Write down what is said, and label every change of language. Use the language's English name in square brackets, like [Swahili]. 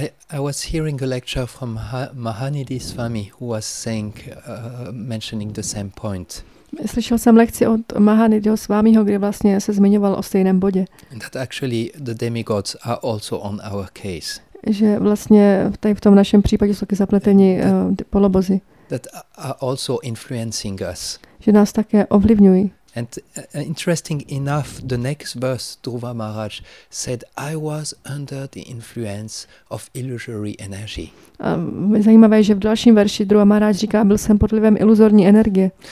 [English] I was hearing a lecture from Mahanidhi Swami who was saying mentioning the same point. [Czech] Slyšel jsem lekci od Mahanidhiho Svámiho, kde vlastně se zmiňoval o stejném bodě. [English] That actually the demigods are also on our case. [Czech] Že vlastně tady v tom našem případě jsou taky zapleteni polobozy. [English] That are also influencing us. [Czech] Že nás také ovlivňují. [English] And interesting enough, the next verse, Dhruva Maharaj said, "I was under the influence of illusory energy." [Czech] Zajímavé, že v dalším verši Dhruva Maharaj říká, byl jsem pod vlivem iluzorní energie.